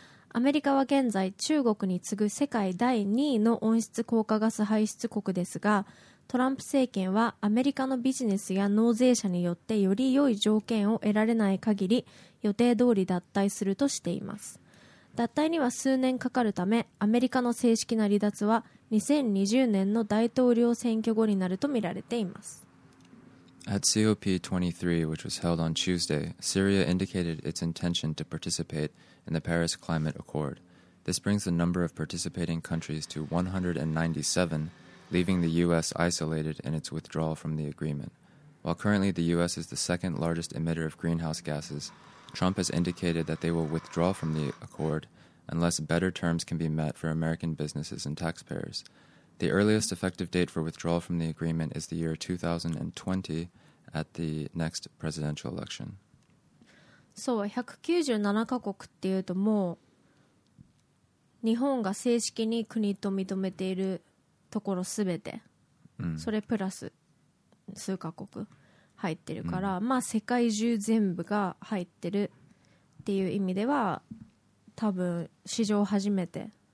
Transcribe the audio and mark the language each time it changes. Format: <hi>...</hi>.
<ja>アメリカは現在中国に次ぐ世界第2位の温室効果ガス排出国ですが、トランプ政権はアメリカのビジネスや納税者によってより良い条件を得られない限り予定通り脱退するとしています。脱退には数年かかるため、アメリカの正式な離脱は2020年の大統領選挙後になると見られています。</ja> <en>At COP23, which was held on Tuesday, Syria indicated its intention to participate in the Paris Climate Accord. This brings the number of participating countries to 197, leaving the U.S. isolated in its withdrawal from the agreement. While currently the U.S. is the second largest emitter of greenhouse gases, Trump has indicated that they will withdraw from the accord unless better terms can be met for American businesses and taxpayers. The earliest effective date for withdrawal from the agreement is the year 2020 at the next presidential election.</en> <ja>そう、197カ国っていうと、もう日本が正式に国と認めているところすべて、それプラス数カ国入ってるから、まあ世界中全部が入ってるっていう意味では多分史上初めて</ja>